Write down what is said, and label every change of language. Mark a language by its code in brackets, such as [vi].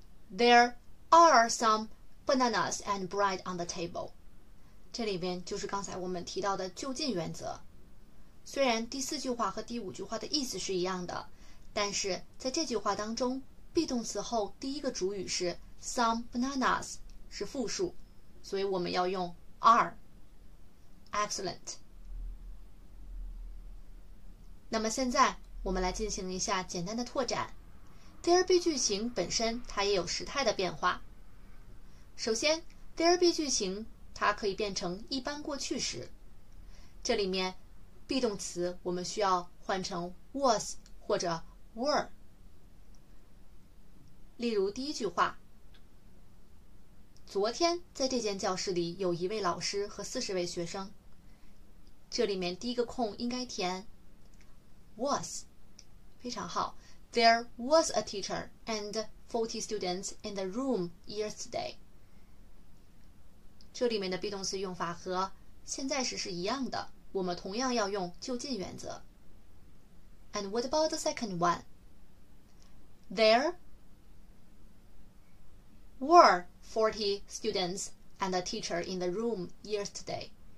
[en] There are some bananas and bread on the table. [zh] 这里面就是刚才我们提到的就近原则。虽然第四句话和第五句话的意思是一样的，但是在这句话当中 be 动词后第一个主语是 some bananas。是复数，所以我们要用 are。 [en] Excellent。 [zh] 那么现在我们来进行一下简单的拓展。 There be 句型本身它也有时态的变化。首先，there be 句型它可以变成一般过去时。这里面 be 动词我们需要换成 was 或者 were。例如第一句话。昨天在这间教室里有一位老师和40位学生。这里面第一个空应该填 was。非常好。 [en] There was a teacher and 40 students in the room yesterday。 [zh] 这里面的 be 动词用法和现在时是一样的，我们同样要用就近原则。 [en] And what about the second one? There were 40 students and a teacher in the room yesterday.